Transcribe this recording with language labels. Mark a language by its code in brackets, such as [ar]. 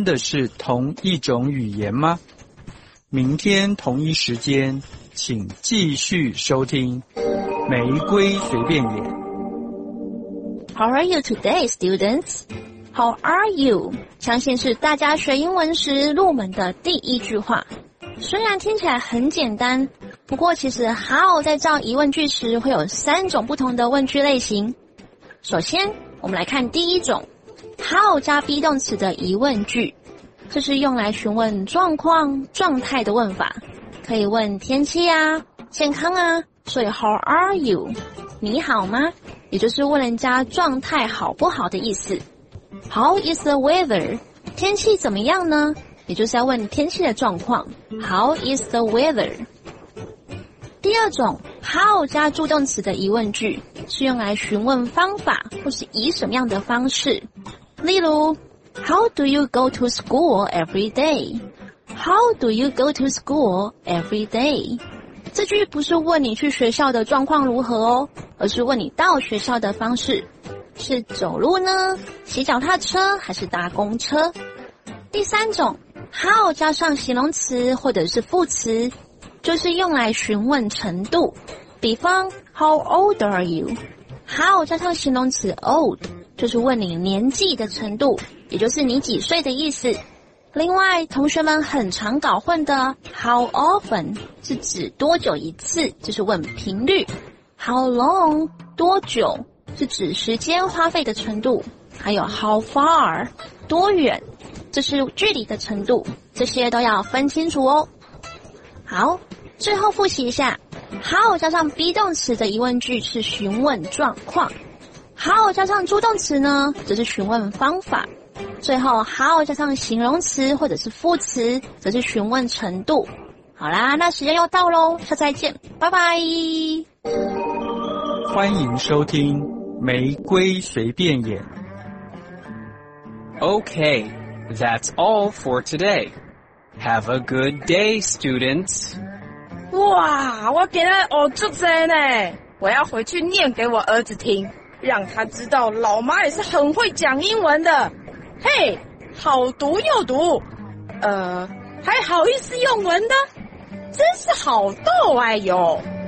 [zh] 究竟这位太太和老师念的真的是同一种语言吗?明天同一时间请继续收听玫瑰随便演。 [en] How are you today, students? How are you? [zh] 相信是大家学英文时入门的第一句话。虽然听起来很简单，不过其实 how 在造疑问句时会有三种不同的问句类型。首先，我们来看第一种 ，how 加 be 动词的疑问句，这是用来询问状况、状态的问法，可以问天气啊、健康啊，所以 [en] how are you？ [zh] 你好吗？也就是问人家状态好不好的意思。 [en] How is the weather? [zh] 天气怎么样呢？也就是要问天气的状况。 [en] How is the weather? [zh] 第二种 ,how 加助动词的疑问句是用来询问方法或是以什么样的方式。例如 [en] How do you go to school every day? How do you go to school every day? [zh] 这句不是问你去学校的状况如何哦，而是问你到学校的方式，是走路呢，骑脚踏车，还是搭公车？第三种 ，how 加上形容词或者是副词，就是用来询问程度。比方 [en] ，How old are you？ [zh] How 加上形容词 old， 就是问你年纪的程度，也就是你几岁的意思。另外，同学们很常搞混的 How often 是指多久一次，就是问频率。 How long 多久是指时间花费的程度，还有 How far 多远，这是距离的程度，这些都要分清楚哦。好，最后复习一下 ，How 加上 be 动词的疑问句是询问状况 ，How 加上助动词呢，则是询问方法。最后 ，how 加上形容词或者是副词，则是询问程度。好啦，那时间又到咯，下次再见，拜拜。欢迎收听《玫瑰随便演》。 [en] Okay, that's all for today. Have a good day, students. [zh] 哇，我今天学足侪呢，我要回去念给我儿子听，让他知道老妈也是很会讲英文的。嘿、hey, 好毒又毒还好意思用文的，真是好逗哎哟。